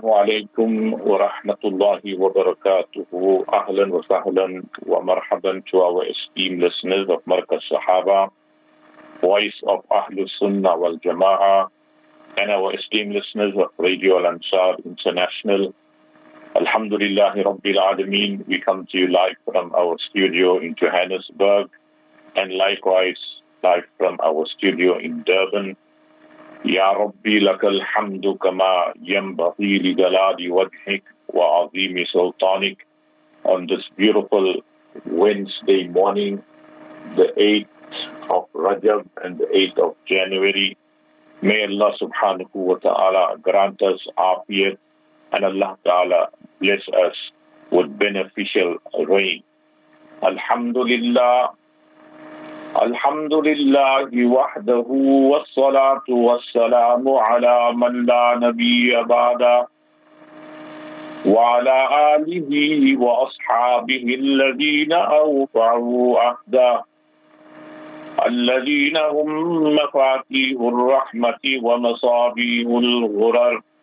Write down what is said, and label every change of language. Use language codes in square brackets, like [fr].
[ar] عليكم ورحمة الله وبركاته. أهلا وسهلا ومرحبا [en] to our esteemed listeners of مركز الصحابة, voice of أهل السنة والجماعة, and our esteemed listeners of Radio Al-Ansar International. [ar] الحمد لله رب العالمين. [en] We come to you live from our studio in Johannesburg, and likewise live from our studio in Durban. [ar] يا ربي لك الحمد كما ينبغي لجلال وجهك وعظيم سلطانك. [en] On this beautiful Wednesday morning, the 8th of Rajab and the 8th of January, may Allah subhanahu wa ta'ala grant us afiyat and Allah ta'ala bless us with beneficial rain. [ar] Alhamdulillah. الحمد لله وحده والصلاة والسلام على من لا نبي بعده وعلى آله وأصحابه الذين أوفعوا عهده الذين هم مفاتيح الرحمة ومصابيح الغرر.